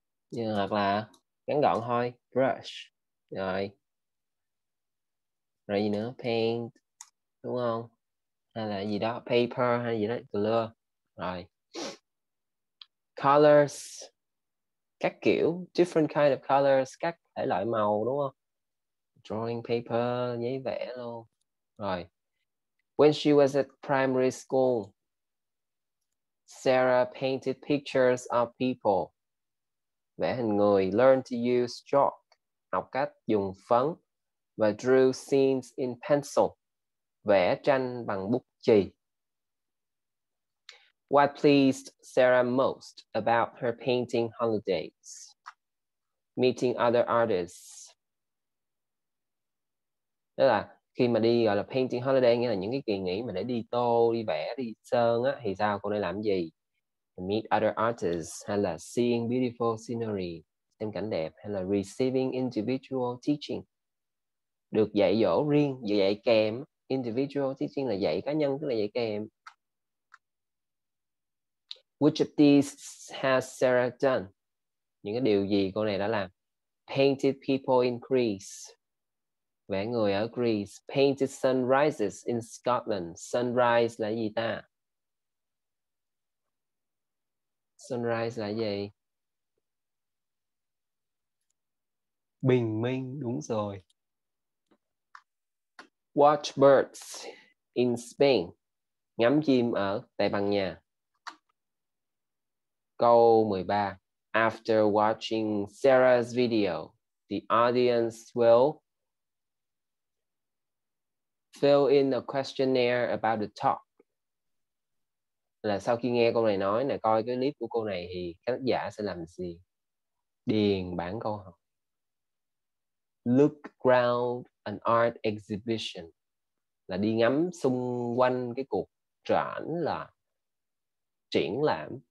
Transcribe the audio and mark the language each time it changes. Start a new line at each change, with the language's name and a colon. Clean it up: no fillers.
Vietnamese: Nhưng hoặc là ngắn gọn thôi, brush. Rồi gì nữa, paint, đúng không? Hay là gì đó, paper hay gì đó, color. Rồi. Colors, các kiểu,
English: different kind of colors,
Vietnamese: các thể loại màu, đúng không? Drawing paper, giấy vẽ luôn. Rồi.
English: When she was at primary school, Sarah painted pictures of people.
Vietnamese: Vẽ hình người.
English: Learned to use chalk.
Vietnamese: Học cách dùng phấn. Và
English: drew scenes in pencil.
Vietnamese: Vẽ tranh bằng bút chì.
English: What pleased Sarah most about her painting holidays? meeting other artists.
Vietnamese: Đó là khi mà đi gọi là painting holiday, nghĩa là những cái kỳ nghỉ mà để đi tô, đi vẽ, đi sơn á, thì sao cô đây làm gì?
English: Meet other artists,
Vietnamese: hay là
English: seeing beautiful scenery,
Vietnamese: xem cảnh đẹp, hay là
English: receiving individual teaching,
Vietnamese: được dạy dỗ riêng, dạy kèm. Individual teaching là dạy cá nhân, tức là dạy kèm.
English: Which of these has Sarah done?
Vietnamese: Những cái điều gì cô này đã làm?
English: Painted people in Greece,
Vietnamese: vẽ người ở
English: Greece. Painted sunrises in Scotland. Sunrise
Vietnamese: là gì ta? Sunrise là gì? Bình minh, đúng rồi.
English: Watch birds in Spain,
Vietnamese: ngắm chim ở Tây Ban Nha. Câu 13.
English: After watching Sarah's video, the audience will fill in a questionnaire about the talk.
Vietnamese: Là sau khi nghe cô này nói nè, coi cái clip của cô này thì khán giả sẽ làm gì? Điền bảng câu hỏi.
English: Look around an art exhibition.
Vietnamese: Là đi ngắm xung quanh cái cuộc triển là triển lãm.